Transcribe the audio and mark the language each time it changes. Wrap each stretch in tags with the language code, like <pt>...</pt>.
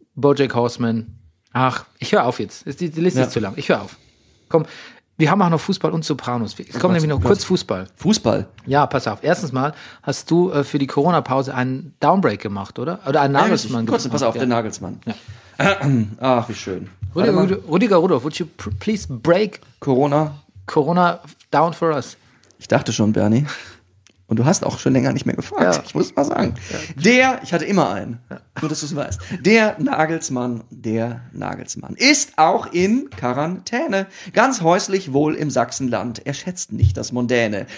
<de>BoJack Horseman. Ach, ich höre auf jetzt. Die Liste ist zu lang. Ich höre auf. Komm, wir haben auch noch Fußball und Sopranos. Es kommt nämlich noch kurz Fußball. Fußball? Ja, pass auf. Erstens mal hast du für die Corona-Pause einen Downbreak gemacht, oder? Oder einen Nagelsmann gemacht. Kurz, pass auf, den Nagelsmann. Ja. Ach, wie schön.</de> <en>Rüdiger Rudolf, would you please break Corona? Corona down for us.</en> <de>Ich dachte schon, Bernie. Und du hast auch schon länger nicht mehr gefragt, ich muss mal sagen. Ja. Ich hatte immer einen, nur dass du es weißt. Der Nagelsmann ist auch in Quarantäne. Ganz häuslich wohl im Sachsenland. Er schätzt nicht das Mondäne.</de>